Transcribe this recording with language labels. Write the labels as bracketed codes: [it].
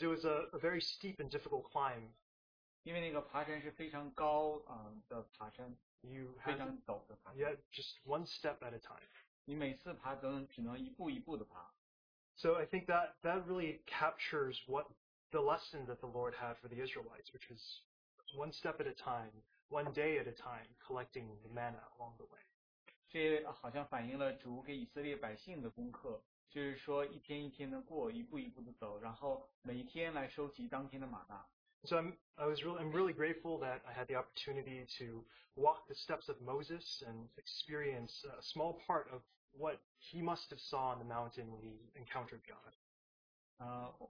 [en] it was a very steep and difficult climb. [zh] 因为那个爬山是非常高的爬山， [en] you [zh] 非常陡的爬山。 [en] Yeah, just one step at a time. [zh] 你每次爬都只能一步一步的爬。 [en] So I think that really captures what the lesson that the Lord had for the Israelites, which is one step at a time, one day at a time, collecting the manna along the way. [zh] 这好像反映了主给以色列百姓的功课，就是说一天一天的过，一步一步的走，然后每一天来收集当天的玛纳。 [en] So I'm really grateful that I had the opportunity to walk the steps of Moses and experience a small part of what he must have saw on the mountain when he encountered God.